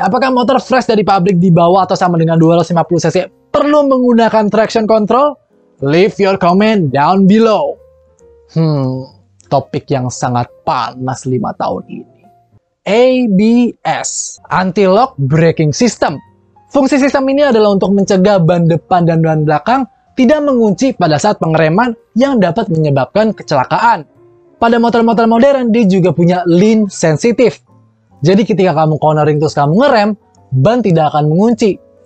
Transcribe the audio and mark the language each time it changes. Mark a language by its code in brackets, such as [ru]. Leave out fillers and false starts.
[id] Apakah motor fresh dari pabrik di bawah atau sama dengan 250cc perlu menggunakan traction control? [en] Leave your comment down below. [id] Topik yang sangat panas 5 tahun ini. [en] ABS. Anti-lock braking system. [id] Fungsi sistem ini adalah untuk mencegah ban depan dan ban belakang tidak mengunci pada saat pengereman yang dapat menyebabkan kecelakaan. Pada motor-motor modern, dia juga punya lean sensitive. Jadi ketika kamu cornering terus kamu ngerem, ban tidak akan mengunci.